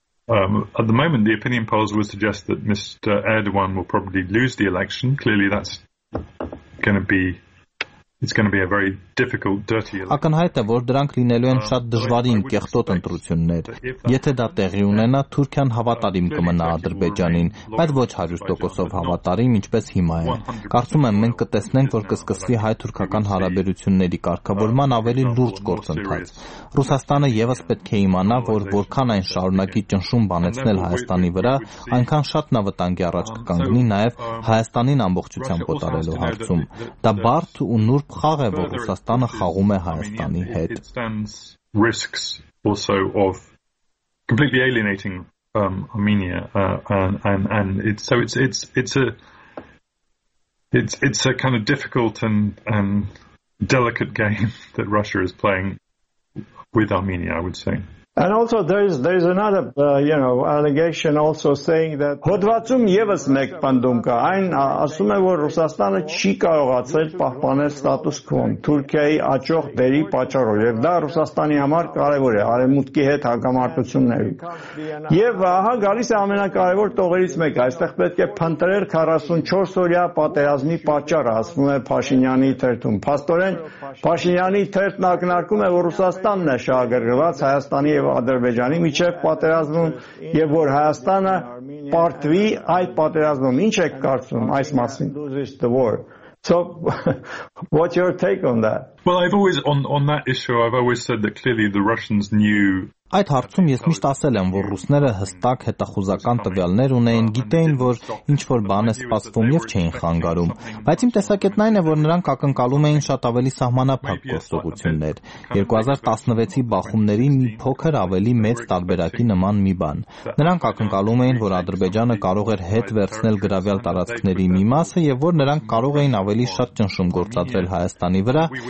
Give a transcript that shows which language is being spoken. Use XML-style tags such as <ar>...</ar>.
<en>At the moment, the opinion polls would suggest that Mr. Erdogan will probably lose the election. Clearly, that's going to be. It's going to be a very difficult, dirty election.</en> <hy>Ակնհայտ է, որ դրանք լինելու են շատ դժվարին կեղտոտ ընտրություններ։ Եթե դա տեղի ունենա, Թուրքիան հավատարիմ կմնա Ադրբեջանին, բայց ոչ 100%-ով հավատարիմ, ինչպես հիմա է։ Կարծում եմ, մենք կտեսնենք, որ կսկսվի հայ-թուրքական հարաբերությունների կարգավորման ավելի լուրջ գործընթաց։ Ռուսաստանը եւս պետք է իմանա, որ որքան այն շարունակի ճնշում բանեցնել Հայաստանի վրա, այնքան շատ նա վտանգի առաջ կկանգնի նաեւ Հայաստանին ամբողջությամբ օտարելու հարցում։ Դա բարդ ու նուրբ խաղ է, որ Ռուսաստանը խաղում է Հայաստանի հետ։</hy> <en>Risks also of completely alienating Armenia and it's a kind of difficult and delicate game that Russia is playing with Armenia, I would say. And also there is another allegation also saying that</en> <hy>Հոդվացում եւս մեկ պնդում կա, այն ասում է, որ Ռուսաստանը չի կարողացել պահպանել ստատուս քվոն Թուրքիայի աջող դերի պատճառով, եւ դա Ռուսաստանի համար կարեւոր է արեմուտքի հետ հակամարտությունների։ Եվ ահա գալիս է ամենակարևոր տողերից մեկը, այստեղ պետք է փնտրել 44-օրյա պատերազմի պատճառը, ասում է Փաշինյանի թերթում։ Փաստորեն Փաշինյանի թերթն ակնարկում է, որ Ռուսաստանն է շահագրգռված Հայաստանի և Ադրբեջանի միջև պատերազմում եւ որ Հայաստանը պարտվի այդ պատերազմում։ Ինչ եք կարծում այս մասին?</hy> <en>Lose the war. So, what's your take on that? Well, I've always, on that issue, I've always said that clearly the Russians knew...</en> <hy>Այդ հարցում ես միշտ ասել եմ, որ ռուսները հստակ հետախուզական տվյալներ ունեին, գիտեին, որ ինչ-որ բան է սպասվում և չէին խանգարում, բայց իմ տեսակետն այն է, որ նրանք ակնկալում էին շատ ավելի սահմանափակ գործողություններ, 2016-ի բախումների մի փոքր ավելի մեծ տարբերակի նման մի բան, նրանք ակնկալում էին, որ Ադրբեջանը կարող էր հետ վերցնել գրավյալ տարածքների մի մասը և որ նրանք կարող էին ավելի շատ ճնշում գործադրել Հայաստանի վրա,</hy>